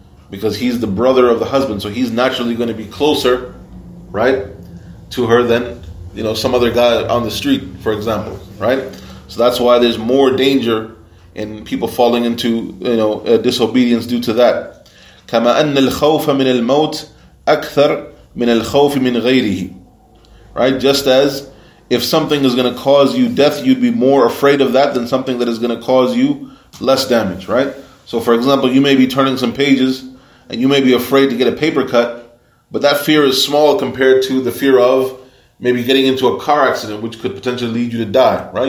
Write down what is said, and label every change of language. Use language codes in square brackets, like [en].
[en] Because he's the brother of the husband, so he's naturally going to be closer, right, to her than, you know, some other guy on the street, for example, right? So that's why there's more danger in people falling into, you know, disobedience due to that. [ar] كما أن الخوف من الموت أكثر من الخوف من غيره. [en] Right, just as if something is going to cause you death, you'd be more afraid of that than something that is going to cause you less damage, right? So for example, you may be turning some pages and you may be afraid to get a paper cut, but that fear is small compared to the fear of maybe getting into a car accident, which could potentially lead you to die, right?